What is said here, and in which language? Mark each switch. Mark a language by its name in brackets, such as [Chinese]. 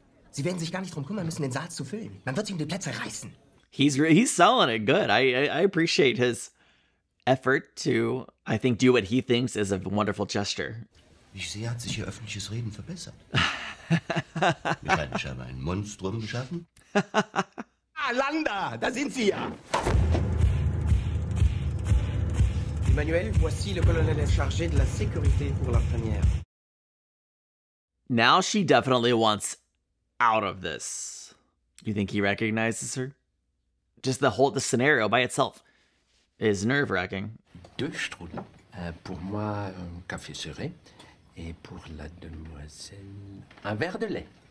[German] Sie werden sich gar nicht drum kümmern müssen, den Saal zu füllen. Man wird sich um die Plätze reißen. [English] He's selling it good. I appreciate his effort to, I think, do what he thinks is a wonderful gesture. [German] Ich sehe, hat sich ihr öffentliches Reden verbessert. Wir haben scheinbar ein Monstrum geschaffen. Ah, Landa, da sind Sie ja. Emmanuel, voici le colonel chargé de la sécurité pour la première. [English] Now she definitely wants out of this. You think he recognizes her? Just the whole scenario by itself is nerve-wracking. [French] Deux strudel. Pour moi, un café serré. Et pour la demoiselle, un verre de lait.